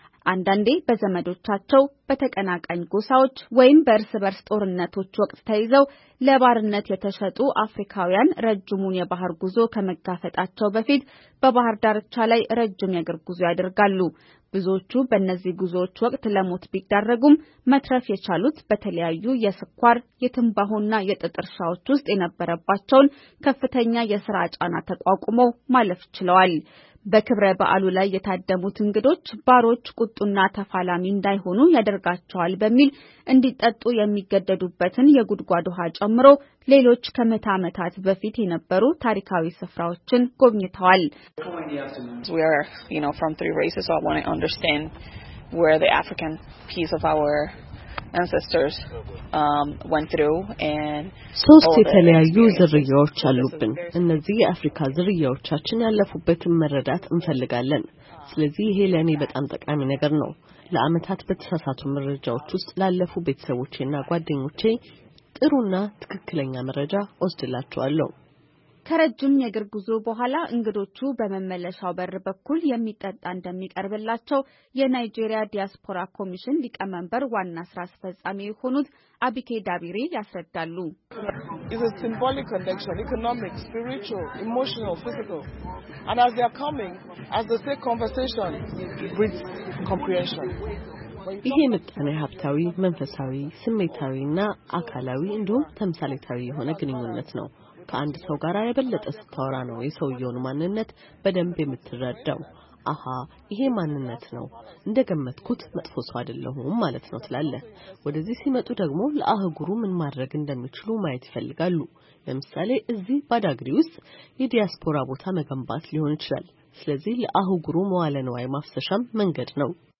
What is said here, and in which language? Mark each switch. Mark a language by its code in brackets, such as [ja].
[am] አንዳንዴ በዘመዶቻቸው በተቀናቃኝ ጎሳዎች ወይም በርስ በርስ ጦርነቶች ወቅት ተይዘው ለባርነት የተሸጡ አፍሪካውያን ረጅሙን የባህር ጉዞ ከመጋፈጣቸው በፊት በባህር ዳርቻ ላይ ረጅም የእግር ጉዞ ያደርጋሉ። ብዙዎቹ በእነዚህ ጉዞዎች ወቅት ለሞት ቢዳረጉም መትረፍ የቻሉት በተለያዩ የስኳር፣ የትንባሆና የጥጥ እርሻዎች ውስጥ የነበረባቸውን ከፍተኛ የሥራ ጫና ተቋቁመው ማለፍ ችለዋል። በክብረ በዓሉ ላይ የታደሙት እንግዶች ባሮች ቁጡና ተፋላሚ እንዳይሆኑ ያደርጋቸዋል በሚል እንዲጠጡ የሚገደዱበትን የጉድጓድ ውሃ ጨምሮ ሌሎች ከመቶ ዓመታት በፊት የነበሩ ታሪካዊ ስፍራዎችን ጎብኝተዋል። [en] We are, you know, from three races, so I want to understand where the African piece of our ancestors went through and [am] ሶስት የተለያዩ ዝርያዎች አሉብን። እነዚህ የአፍሪካ ዝርያዎቻችን ያለፉበትን መረዳት እንፈልጋለን። ስለዚህ ይሄ ለኔ በጣም ጠቃሚ ነገር ነው። ለአመታት በተሳሳቱ መረጃዎች ውስጥ ላለፉ ቤተሰቦቼና ጓደኞቼ ጥሩና ትክክለኛ መረጃ ወስድላችኋለሁ። ከረጅም የእግር ጉዞ በኋላ እንግዶቹ በመመለሻው በር በኩል የሚጠጣ እንደሚቀርብላቸው የናይጄሪያ ዲያስፖራ ኮሚሽን ሊቀመንበር ዋና ስራ አስፈጻሚ የሆኑት አቢኬ ዳቢሪ ያስረዳሉ። [en] It is symbolic connection, economic, spiritual, emotional, physical. And as they are coming, as they say conversation, it brings comprehension. [am] ይሄ ምጣኔ ሀብታዊ፣ መንፈሳዊ፣ ስሜታዊና አካላዊ እንዲሁም ተምሳሌታዊ የሆነ ግንኙነት ነው። ከአንድ ሰው ጋር የበለጠ ስታወራ ነው የሰውየውን ማንነት በደንብ የምትረዳው። አሃ ይሄ ማንነት ነው፣ እንደገመትኩት መጥፎ ሰው አይደለሁም ማለት ነው ትላለህ። ወደዚህ ሲመጡ ደግሞ ለአህጉሩ ምን ማድረግ እንደምችሉ ማየት ይፈልጋሉ። ለምሳሌ እዚህ ባዳግሪ ውስጥ የዲያስፖራ ቦታ መገንባት ሊሆን ይችላል። ስለዚህ ለአህጉሩ መዋለ ንዋይ ማፍሰሻም መንገድ ነው።